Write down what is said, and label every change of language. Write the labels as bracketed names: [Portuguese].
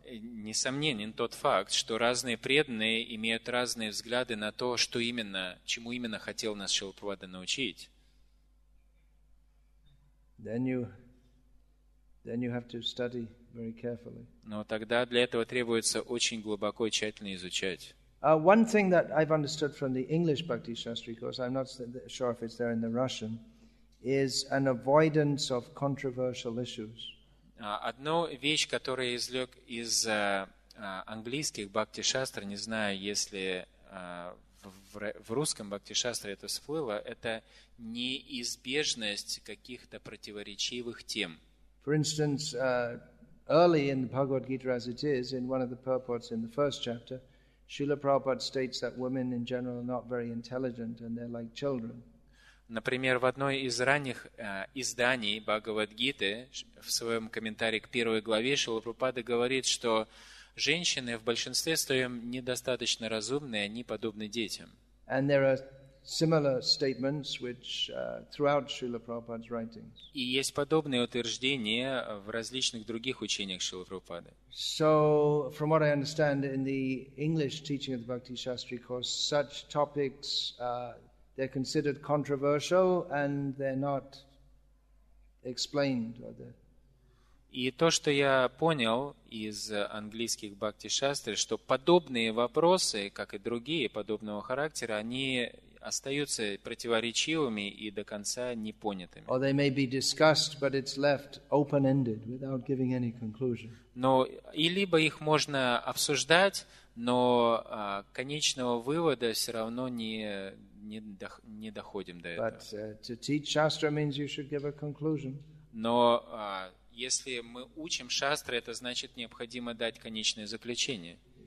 [Russian] Несомненен тот факт, что разные преданные имеют разные взгляды на то, что именно, чему именно хотел нас Шрила Прабхупада научить. [English] Then you have to study very carefully. [Russian] Но тогда для этого требуется очень глубоко и тщательно изучать. [English] One thing that I've understood from the English Bhakti Shastri course, I'm not sure if it's there in the Russian, is an avoidance of controversial issues. [Russian] Одну вещь, которую извлек из английских Бхакти Шастр, не знаю, если в русском Бхакти-шастре это всплыло, это неизбежность каких-то противоречивых тем. [English] For instance, early in the Bhagavad Gita as it is, in one of the purports in the first chapter, Srila Prabhupada states that women in general are not very intelligent and they're like children. [Russian] Например, в одной из ранних изданий Бхагавад-гиты, в своем комментарии к первой главе, Шрила Прабхупада говорит, что женщины в большинстве своем недостаточно разумные, они подобны детям. [English] And there are similar statements which, throughout Srila Prabhupada's writings. [Russian] И есть подобные утверждения в различных других учениях Шрилы Прабхупады. [English] So, from what I understand, in the English teaching of the Bhakti Shastri course, such topics, they're considered controversial and they're not explained. [Russian] И то, что я понял из английских бхакти-шастр, что подобные вопросы, как и другие подобного характера, они остаются противоречивыми и до конца непонятыми. [English] Or they may be discussed, but it's left open-ended, without giving any conclusion. [Russian] Но и либо их можно обсуждать, но конечного вывода все равно не доходим до этого. [English] But to teach shastra means you should give a conclusion. [Russian] Но если мы учим шастры, это значит необходимо дать конечное заключение.